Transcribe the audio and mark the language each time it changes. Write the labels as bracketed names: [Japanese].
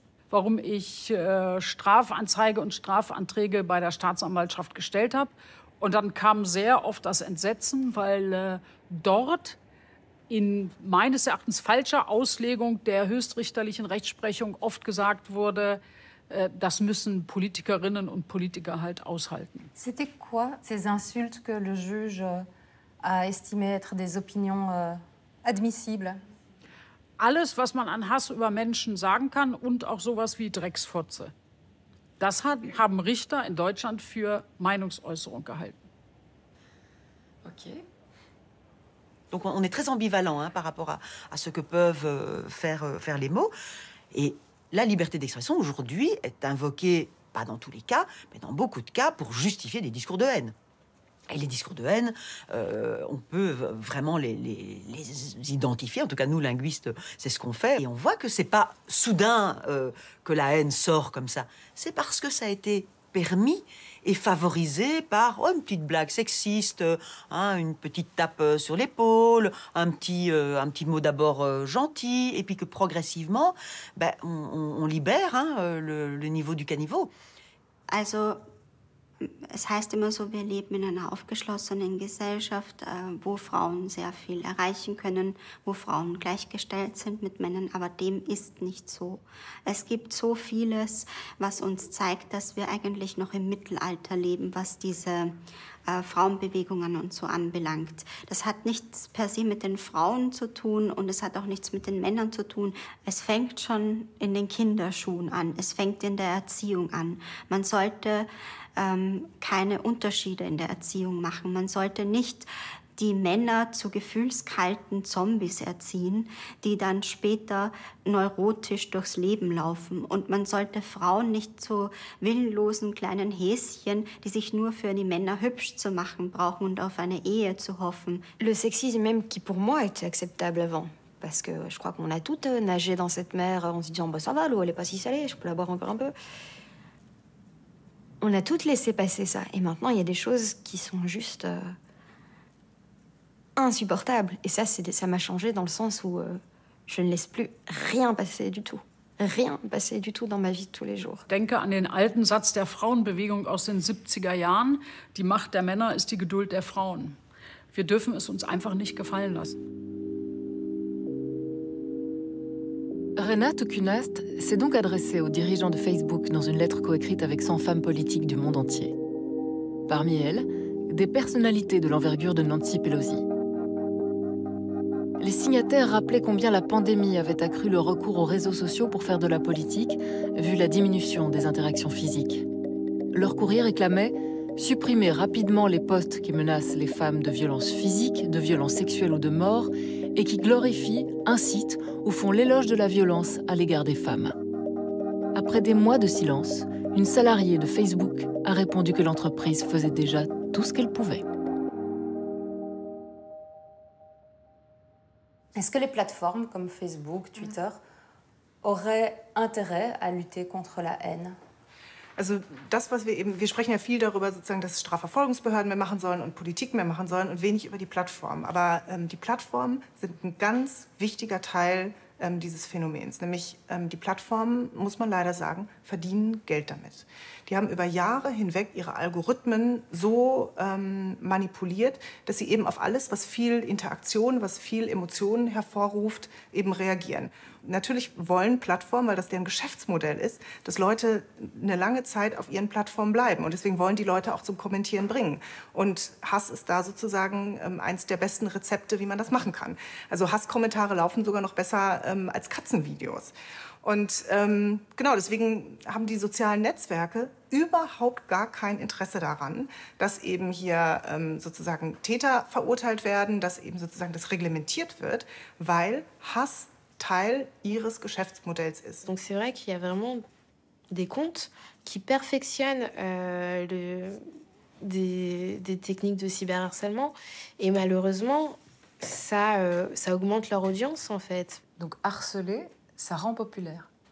[German] Warum ich Strafanzeige und Strafanträge bei der Staatsanwaltschaft gestellt habe. Und dann kam sehr oft das Entsetzen, weil dort in meines Erachtens falscher Auslegung der höchstrichterlichen Rechtsprechung oft gesagt wurde, das müssen Politikerinnen und Politiker halt aushalten. [French] C'était quoi ces insultes que le juge a estimé être des opinions admissibles? [German] Alles, was man an Hass über Menschen sagen kann und auch sowas wie Drecksfotze. Das haben Richter in Deutschland für Meinungsäußerung gehalten. Okay. [French] Donc on est très ambivalent hein, par rapport à ce que peuvent faire les mots. Et la liberté d'expression aujourd'hui est invoquée, pas dans tous les cas, mais dans beaucoup de cas, pour justifier des discours de haine. Et les discours de haine, on peut vraiment les identifier. En tout cas, nous, linguistes, c'est ce qu'on fait. Et on voit que c'est pas soudain que la haine sort comme ça. C'est parce que ça a été permis et favorisé par une petite blague sexiste, hein, une petite tape sur l'épaule, un petit mot d'abord gentil, et puis que progressivement, ben, on libère hein, le niveau du caniveau. [German] Also, Es heißt immer so, wir leben in einer aufgeschlossenen Gesellschaft, wo Frauen sehr viel erreichen können, wo Frauen gleichgestellt sind mit Männern, aber dem ist nicht so. Es gibt so vieles, was uns zeigt, dass wir eigentlich noch im Mittelalter leben, was diese Frauenbewegungen und so anbelangt. Das hat nichts per se mit den Frauen zu tun und es hat auch nichts mit den Männern zu tun. Es fängt schon in den Kinderschuhen an, es fängt in der Erziehung an. Man sollte keine Unterschiede in der Erziehung machen. Man sollte nicht die Männer zu gefühlskalten Zombies erziehen, die dann später neurotisch durchs Leben laufen. Und man sollte Frauen nicht zu willenlosen kleinen Häschen, die sich nur für die Männer hübsch zu machen brauchen und auf eine Ehe zu hoffen. [French] Le sexisme même qui pour moi était acceptable avant. Parce que je crois qu'on a toutes nagé dans cette mer en se disant bah, ça va, l'eau elle est pas si salée, je peux la boire encore un peu. On a toutes laissé passer ça. Et maintenant, il y a des choses qui sont juste insupportables. Et ça, ça m'a changé dans le sens où je ne laisse plus rien passer du tout. Rien passer du tout dans ma vie de tous les jours. [German] Denke an den alten Satz der Frauenbewegung aus den 70er Jahren. Die Macht der Männer ist die Geduld der Frauen. Wir dürfen es uns einfach nicht gefallen lassen. [French] Renate Künast s'est donc adressée aux dirigeants de Facebook dans une lettre coécrite avec 100 femmes politiques du monde entier. Parmi elles, des personnalités de l'envergure de Nancy Pelosi. Les signataires rappelaient combien la pandémie avait accru le recours aux réseaux sociaux pour faire de la politique, vu la diminution des interactions physiques. Leur courrier réclamait « supprimer rapidement les posts qui menacent les femmes de violences physiques, de violences sexuelles ou de mort » et qui glorifient, incitent ou font l'éloge de la violence à l'égard des femmes. Après des mois de silence, une salariée de Facebook a répondu que l'entreprise faisait déjà tout ce qu'elle pouvait. Est-ce que les plateformes comme Facebook, Twitter, auraient intérêt à lutter contre la haine ? [German] Also das, was wir eben, wir sprechen ja viel darüber sozusagen, dass Strafverfolgungsbehörden mehr machen sollen und Politik mehr machen sollen und wenig über die Plattformen. Aber die Plattformen sind ein ganz wichtiger Teil dieses Phänomens. Nämlich die Plattformen, muss man leider sagen, verdienen Geld damit. Die haben über Jahre hinweg ihre Algorithmen so manipuliert, dass sie eben auf alles, was viel Interaktion, was viel Emotionen hervorruft, eben reagieren. Natürlich wollen Plattformen, weil das deren Geschäftsmodell ist, dass Leute eine lange Zeit auf ihren Plattformen bleiben. Und deswegen wollen die Leute auch zum Kommentieren bringen. Und Hass ist da sozusagen eins der besten Rezepte, wie man das machen kann. Also Hasskommentare laufen sogar noch besser als Katzenvideos. Und genau, deswegen haben die sozialen Netzwerke überhaupt gar kein Interesse daran, dass eben hier sozusagen Täter verurteilt werden, dass eben sozusagen das reglementiert wird, weil Hass Teil ihres Geschäftsmodells ist. [French] Donc c'est vrai qu'il y a vraiment des comptes qui perfectionnent des techniques de cyberharcèlement et malheureusement ça augmente leur audience en fait. Donc harceler, ça rend populaire.